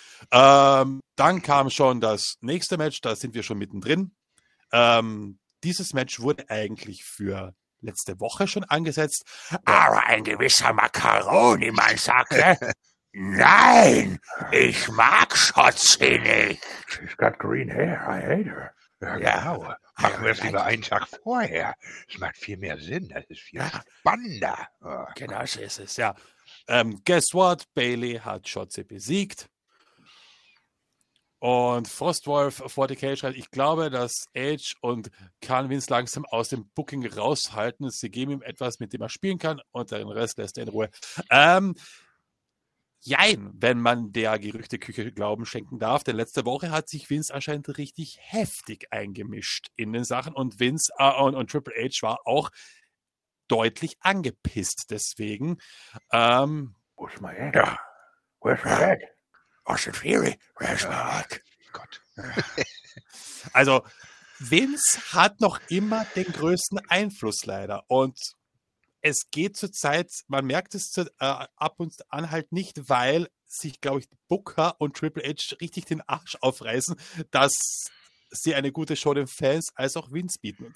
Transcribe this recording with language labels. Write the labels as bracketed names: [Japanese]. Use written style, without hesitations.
[German] Dann kam schon das nächste Match, da sind wir schon mittendrin. Dieses Match wurde eigentlich für letzte Woche schon angesetzt. Aber ein gewisser Macaroni-Mann sagte, nein, ich mag Shotzi nicht. [English] She's got green hair, I hate her. [German] Machen wir es lieber einen Tag vorher. Es macht viel mehr Sinn, das ist viel spannender. Oh, genau, so ist es, ja. [English] Guess what? [German] Bailey hat Shotzi besiegt. Und Frostwolf 40k schreibt, ich glaube, dass Edge und Canvins langsam aus dem Booking raushalten. Sie geben ihm etwas, mit dem er spielen kann und den Rest lässt er in Ruhe. Jein, wenn man der Gerüchteküche Glauben schenken darf, denn letzte Woche hat sich Vince anscheinend richtig heftig eingemischt in den Sachen und Vince und Triple H war auch deutlich angepisst deswegen. [English] Where's my head? Yeah. Where's my head? Austin Theory, where's my head? [German] Gott. Also, Vince hat noch immer den größten Einfluss leider und es geht zurzeit, man merkt es ab und an halt nicht, weil sich, glaube ich, Booker und Triple H richtig den Arsch aufreißen, dass sie eine gute Show den Fans als auch Vince bieten.